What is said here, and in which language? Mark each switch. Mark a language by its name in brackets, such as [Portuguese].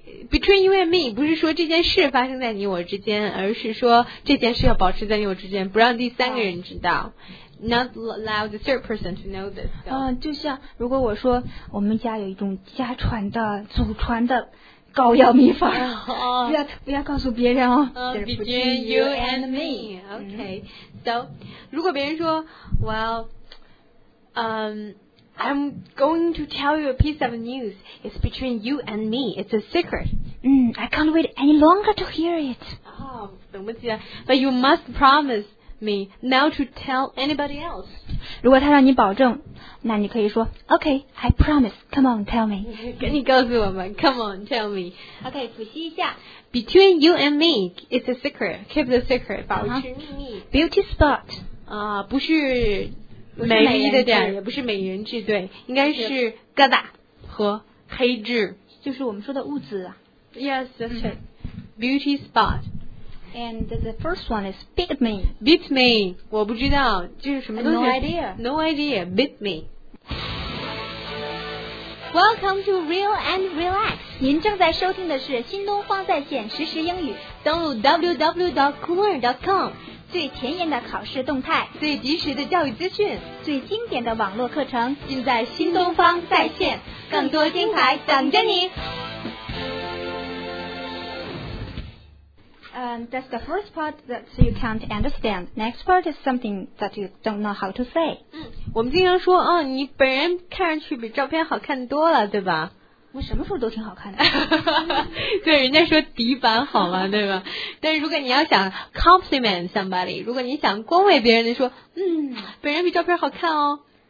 [Chinese] Between you and me 不是说这件事发生在你我之间而是说这件事要保持在你我之间不让第三个人知道、 Not allow the third person to know this、就像如果我说我们家有一种家传的祖传的膏药秘方、不要告诉别人哦、 [English] Between you and me OK、So 如果别人说 Well、I'm going to tell you a piece of news It's between you and me It's a secret、 I can't wait any longer to hear it、 But you must promise me Not to tell anybody else [Chinese] 如果他让你保证那你可以说 OK, I promise, come on, tell me 跟你告诉我们 come on, tell me OK, 复习一下 [English] Between you and me, it's a secret Keep the secret, 保持秘密 Beauty spot [Chinese] 不是美丽的点也不是美人痣对应该是疙瘩和黑痣就是我们说的痦子、 [English] Yes, that's it Beauty spot And the first one is beat me [Chinese] Beat me, 我不知道这是什么东西 [English] No idea, beat me Welcome to Real and Relax [Chinese] 您正在收听的是新东方在线实时英语登录 www.coolearn.com 最前沿的考试动态最及时的教育资讯最经典的网络课程尽在新东方在线更多精彩等着你 [English] That's the first part that you can't understand. Next part is something that you don't know how to say. [Chinese] 我们经常说，你本人看上去比照片好看多了，对吧？我什么时候都挺好看的。对，人家说底板好嘛，对吧？但是如果你要想 compliment somebody，如果你想恭维别人的说，本人比照片好看哦。